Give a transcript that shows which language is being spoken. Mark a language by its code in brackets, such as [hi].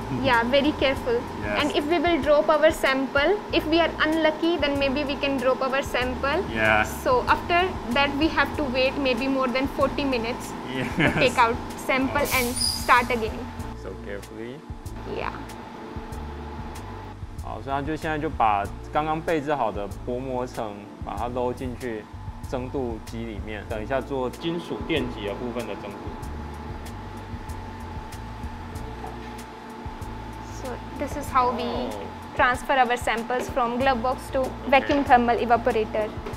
[en] Yeah, very careful. Yes. And if we will drop our sample, if we are unlucky, then maybe we can drop our sample. Yeah. So after that, we have to wait maybe more than 40 minutes to take out sample and start again. So carefully. Yeah. [zh] 好，所以他就现在就把刚刚备制好的薄膜层把它捞进去增度机里面，等一下做金属电极的部分的增度。 [en] So this is how we transfer our samples from glove box to vacuum thermal evaporator.